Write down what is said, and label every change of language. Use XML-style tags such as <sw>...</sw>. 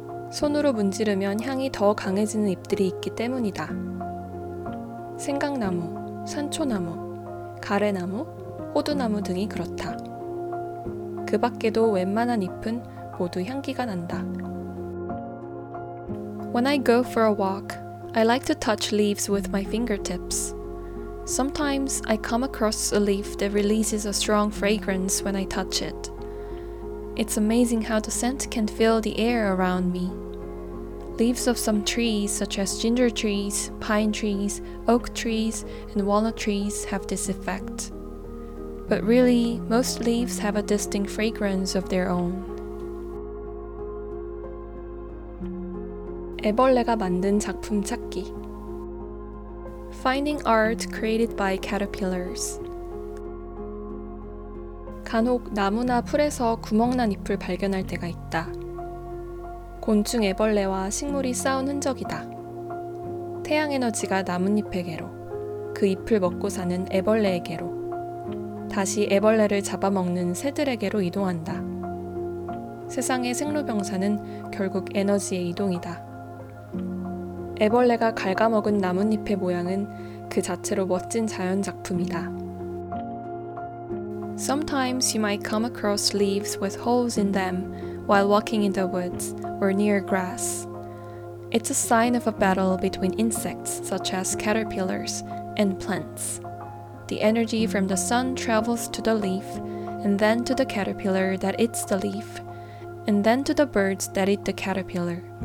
<ko>손으로 문지르면 향이 더 강해지는 잎들이 있기 때문이다. 생강나무, 산초나무, 가래나무, 호두나무 등이 그렇다. 그 밖에도 웬만한 잎은 모두 향기가 난다.</ko> <en>When I go for a walk, I like to touch leaves with my fingertips. Sometimes I come across a leaf that releases a strong fragrance when I touch it. It's amazing how the scent can fill the air around me. Leaves of some trees, such as ginger trees, pine trees, oak trees, and walnut trees have this effect. But really, most leaves have a distinct fragrance of their own.</en> <ko>애벌레가 만든 작품 찾기.</ko> <en>Finding art created by caterpillars.</en> <ko>간혹 나무나 풀에서 구멍난 잎을 발견할 때가 있다. 곤충 애벌레와 식물이 싸운 흔적이다. 태양 에너지가 나뭇잎에게로, 그 잎을 먹고 사는 애벌레에게로, 다시 애벌레를 잡아먹는 새들에게로 이동한다. 세상의 생로병사는 결국 에너지의 이동이다. 애벌레가 갉아먹은 나뭇잎의 모양은 그 자체로 멋진 자연 작품이다.</ko> <en>Sometimes you might come across leaves with holes in them while walking in the woods or near grass. It's a sign of a battle between insects such as caterpillars and plants. The energy from the sun travels to the leaf, and then to the caterpillar that eats the leaf, and then to the birds that eat the caterpillar.</en>